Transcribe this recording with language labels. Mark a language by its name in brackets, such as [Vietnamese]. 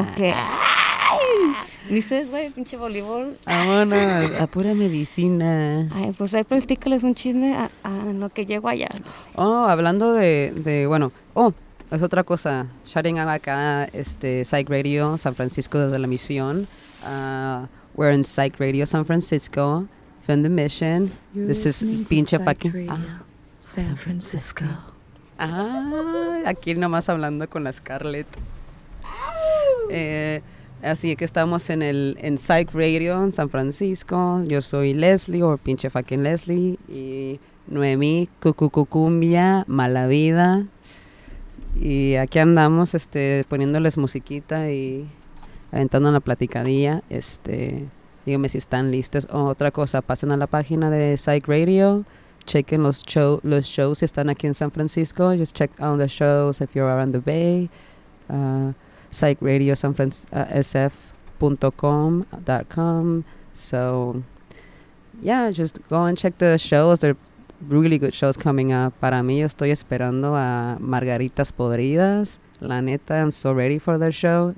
[Spanish] Ok. Dices, güey, pinche voleibol. Vámonos, a pura medicina. Ay, pues ahí platícales un chisme a lo que llego allá. Oh, hablando de bueno, es otra cosa. [English] Shouting out [Spanish] acá, Psych Radio San Francisco desde la misión. [English] We're in Psych Radio San Francisco from the mission. You're this is pinche fucking San Francisco. [Spanish] Ah, aquí nomás hablando con la Scarlett. Así que estamos en Psych Radio en San Francisco. Yo soy Leslie, o pinche [English] fucking [Spanish] Leslie. Y Noemí, cucucumbia, mala vida. Y aquí andamos poniéndoles musiquita y aventando la platicadilla. Díganme si están listos. Otra cosa, pasen a la página de Psych Radio. [English] Checking [Spanish] los shows si están aquí en San Francisco. [English] Just check on the shows if you're around the Bay. Psych Radio San Francisco sf.com.com. So, yeah, just go and check the shows. They're really good shows coming up. [Spanish] Para mí, yo estoy esperando a Margaritas Podridas. La neta, [English] I'm so ready for their show.